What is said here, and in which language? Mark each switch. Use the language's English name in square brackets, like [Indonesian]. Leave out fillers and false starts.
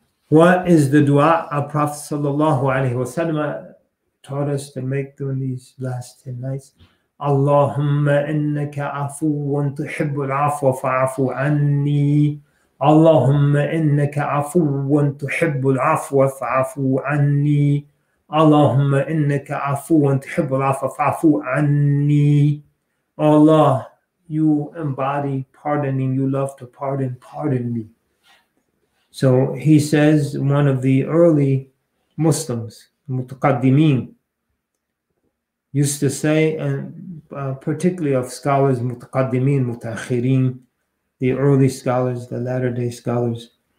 [English] What is the dua our Prophet [Arabic] صلى الله عليه وسلم [English] taught us to make during these last 10 nights? [Arabic] اللهم إنك عفو تحب العفو فاعف عني. اللهم إنك عفو تحب العفو فعفو عني. اللهم إنك عفو تحب العفو فعفو عني. [English] Allah, you embody pardoning, you love to pardon, pardon me. So he says, one of the early Muslims, Mutaqaddimin, used to say, and particularly of scholars, Mutaqaddimin, Mutakhirin, the early scholars, the latter day scholars.